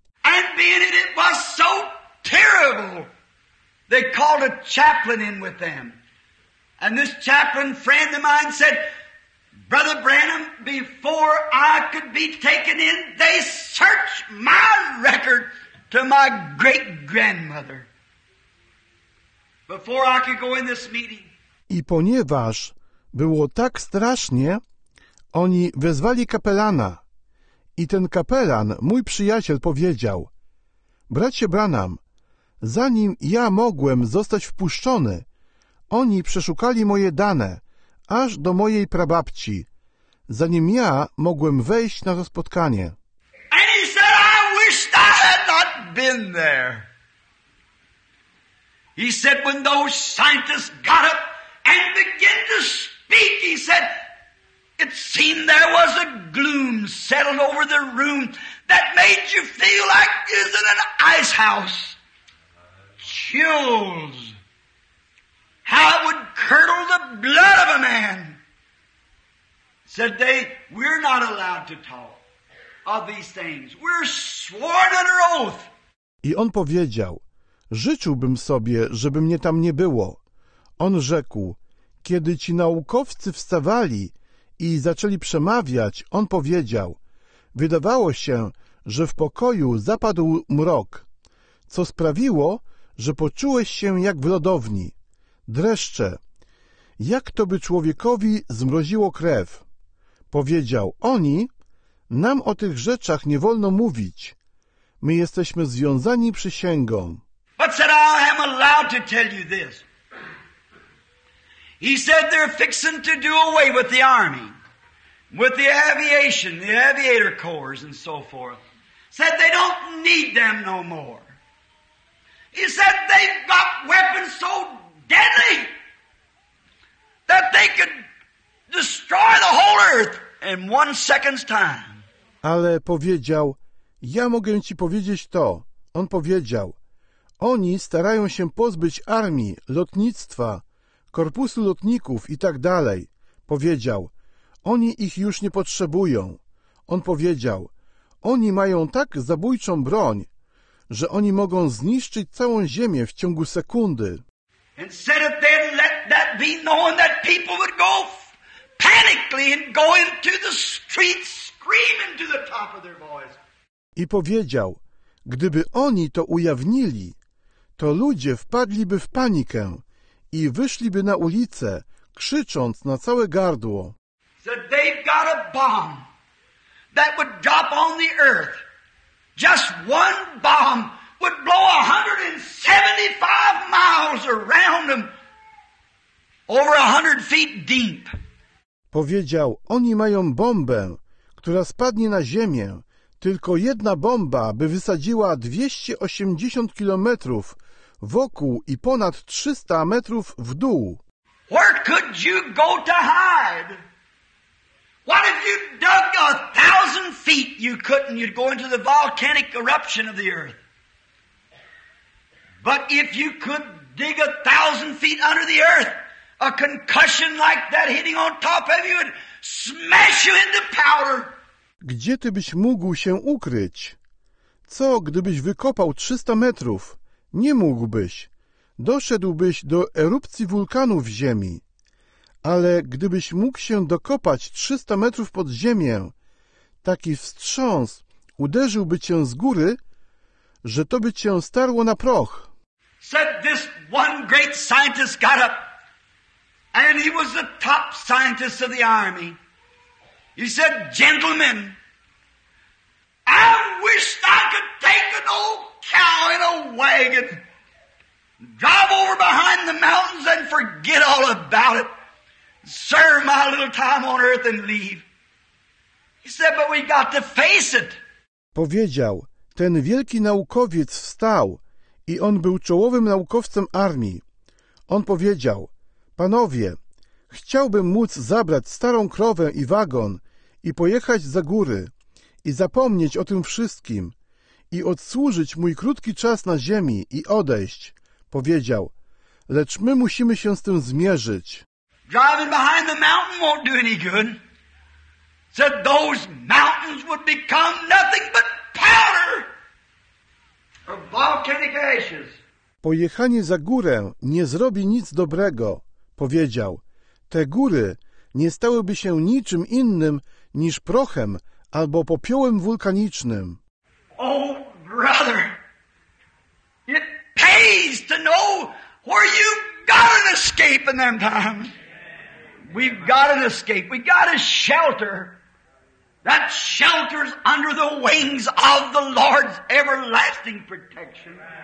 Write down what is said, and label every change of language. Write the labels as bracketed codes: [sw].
[en] And being it was so terrible, they called a chaplain in with them. And this chaplain friend of mine said, Brother Branham, before I could be taken in, they searched my record to my great-grandmother. Before I could go in this meeting. [pl] I ponieważ było tak strasznie, oni wezwali kapelana. I ten kapelan, mój przyjaciel, powiedział, bracie Branham, zanim ja mogłem zostać wpuszczony, oni przeszukali moje dane, aż do mojej prababci, zanim ja mogłem wejść na to spotkanie. [en] And he said, I wished I had not been there. He said, when those scientists got up and began to speak, he said, it seemed there was a gloom settled over the room that made you feel like you're in an ice house. Chills. How it would curdle the blood of a man. Said they, we're not allowed to talk of these things. We're sworn under oath. [pl] I on powiedział, życzyłbym sobie, żeby mnie tam nie było. On rzekł, kiedy ci naukowcy wstawali i zaczęli przemawiać, on powiedział, wydawało się, że w pokoju zapadł mrok, co sprawiło, że poczułeś się jak w lodowni. Dreszcze, jak to by człowiekowi zmroziło krew? Powiedział, oni, nam o tych rzeczach nie wolno mówić. My jesteśmy związani przysięgą. [en] But said, I am allowed to tell you this. He said, they're fixing to do away with the army, with the aviation, the aviator corps and so forth. Said, they don't need them no more. He said, they've got weapons so deadly that they could destroy the whole earth in 1 second's time. [pl] Ale powiedział, ja mogę ci powiedzieć to. On powiedział, oni starają się pozbyć armii, lotnictwa, korpusu lotników i tak dalej. Powiedział, oni ich już nie potrzebują. On powiedział, oni mają tak zabójczą broń, że oni mogą zniszczyć całą ziemię w ciągu sekundy. [en] And said it then, let that be known that people would go panically and go into the streets screaming to the top of their voice. [pl] I powiedział, gdyby oni to ujawnili, to ludzie wpadliby w panikę i wyszliby na ulicę, krzycząc na całe gardło. [en] So they've got a bomb that would drop on the earth. Just one bomb would blow 175 miles around them, over 100 feet deep. [pl] Powiedział, oni mają bombę, która spadnie na ziemię. Tylko jedna bomba by wysadziła 280 kilometrów wokół i ponad 300 metrów w dół. [en] Where could you go to hide? What if you dug 1,000 feet? You couldn't. You'd go into the volcanic eruption of the earth. But if you could dig 1,000 feet under the earth, a concussion like that hitting on top of you would smash you into powder. [pl] Gdzie ty byś mógł się ukryć? Co, gdybyś wykopał 300 metrów? Nie mógłbyś. Doszedłbyś do erupcji wulkanu w ziemi. Ale gdybyś mógł się dokopać 300 metrów pod ziemię, taki wstrząs uderzyłby cię z góry, że to by cię starło na proch. [en] Said this one great scientist got up, and he was the top scientist of the army. He said, gentlemen, I wished I could take an old cow in a wagon, drive over behind the mountains and forget all about it, serve my little time on earth and leave. He said, but we got to face it. [pl] Powiedział, ten wielki naukowiec wstał i on był czołowym naukowcem armii. On powiedział, panowie, chciałbym móc zabrać starą krowę i wagon i pojechać za góry i zapomnieć o tym wszystkim i odsłużyć mój krótki czas na ziemi i odejść. Powiedział, lecz my musimy się z tym zmierzyć. [en] Driving behind the mountain won't do any good. Said those mountains would become nothing but powder of volcanic ashes. [pl] Pojechanie za górę nie zrobi nic dobrego, powiedział. Te góry nie stałyby się niczym innym niż prochem albo popiołem wulkanicznym. [en] Oh, brother, it pays to know where you've got an escape in them times. We've got an escape. We've got a shelter. That shelter's under the wings of the Lord's everlasting protection.